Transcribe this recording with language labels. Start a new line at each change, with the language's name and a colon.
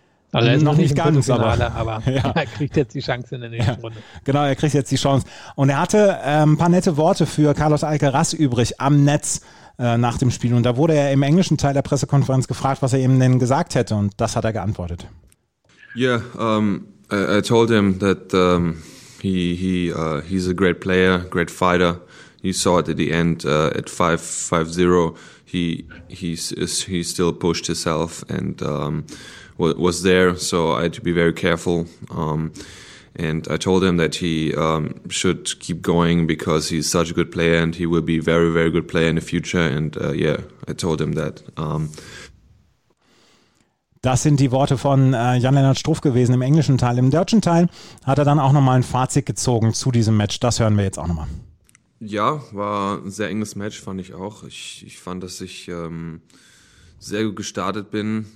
German: Also er ist noch nicht im ganz, aber ja. Er kriegt jetzt die Chance in der nächsten Runde. Genau, er kriegt jetzt die Chance. Und er hatte ein paar nette Worte für Carlos Alcaraz übrig am Netz nach dem Spiel. Und da wurde er im englischen Teil der Pressekonferenz gefragt, was er ihm denn gesagt hätte. Und das hat er geantwortet.
English: Yeah, I told him that he's a great player, great fighter. You saw it at the end at 5-0. He still pushed himself and was there, so I had to be very careful. And I told him that he should keep going because he's such a good player and he will be very, very good player in the future. And I told him that.
German: Das sind die Worte von Jan-Lennard Struff gewesen im englischen Teil. Im deutschen Teil hat er dann auch nochmal ein Fazit gezogen zu diesem Match. Das hören wir jetzt auch nochmal. Ja, war ein sehr enges Match, fand ich auch. Ich fand, dass ich sehr gut gestartet bin.